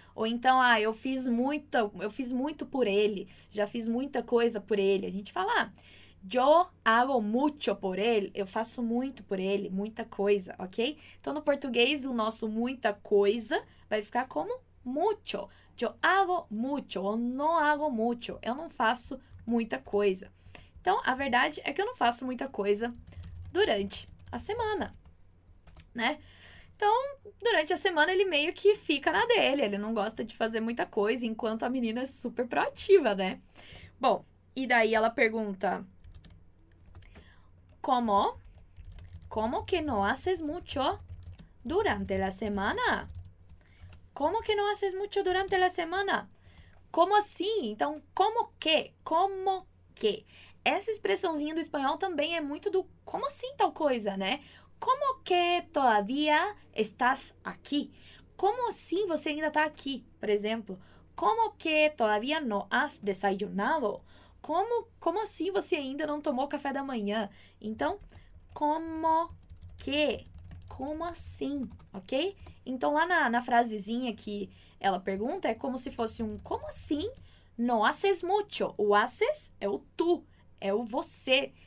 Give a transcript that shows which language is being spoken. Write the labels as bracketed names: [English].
[Portuguese] Ou então, ah, eu fiz muito por ele, já fiz muita coisa por ele. A gente fala, ah, [Spanish] yo hago mucho por él, [Portuguese] eu faço muito por ele, muita coisa, ok? Então, no português, o nosso muita coisa vai ficar como mucho. [Spanish] Yo hago mucho, [Portuguese] ou [Spanish] no hago mucho. [Portuguese] Eu não faço muita coisa. Então, a verdade é que eu não faço muita coisa durante a semana, né? Então, durante a semana ele meio que fica na dele. Ele não gosta de fazer muita coisa, enquanto a menina é super proativa, né? Bom, e daí ela pergunta: Como? [Spanish] Como que no haces mucho durante la semana? Como que não haces mucho durante la semana? [Portuguese] Como assim? Então, como que? Como que? Essa expressãozinha do espanhol também é muito do como assim tal coisa, né? [Spanish] Como que todavía estás aqui? [Portuguese] Como assim você ainda tá aqui, por exemplo? [Spanish] Como que todavía no has desayunado? [Portuguese] Como assim você ainda não tomou café da manhã? Então, como que? Como assim, ok? Então, lá na frasezinha que ela pergunta, é como se fosse um como assim? [Spanish] No haces mucho. [Portuguese] O haces é o tu, é o você.